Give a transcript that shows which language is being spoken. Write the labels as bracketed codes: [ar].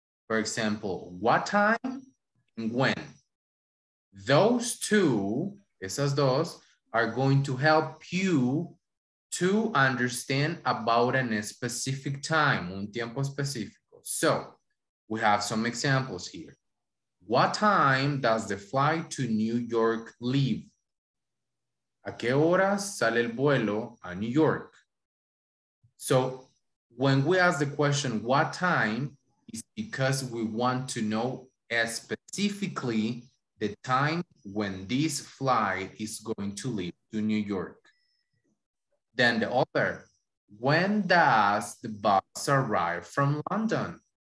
[en] For example, what time and when? Those two, [es] esas dos, [en] are going to help you to understand about a specific time, [es] un tiempo específico. [en] So we have some examples here. What time does the flight to New York leave? [es] ¿A qué hora sale el vuelo a New York? [en] So when we ask the question, what time, is because we want to know specifically the time when this flight is going to leave to New York. Then the other, when does the bus arrive from London?